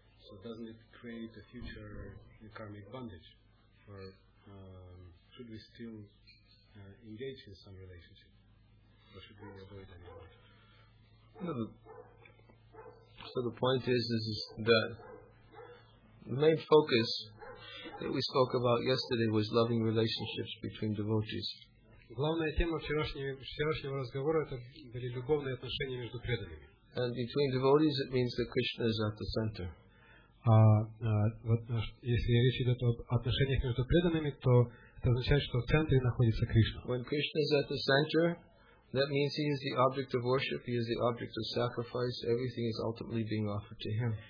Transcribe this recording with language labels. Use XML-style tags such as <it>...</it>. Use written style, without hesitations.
<en>So doesn't it create a future karmic bondage, or should we still engage in some relationship, or should we avoid any of it? So the point is that the main focus that we spoke about yesterday was loving relationships between devotees.</en> <ru>Главная тема вчерашнего разговора это были любовные отношения между преданными.</ru> <en>And between devotees, it means that Krishna is at the center.</en> <ru>Если речь идет об отношениях между преданными, то это означает, что в центре находится Кришна.</ru> <en>When Krishna is at the center, that means he is the object of worship, he is the object of sacrifice, everything is ultimately being offered to him.</en>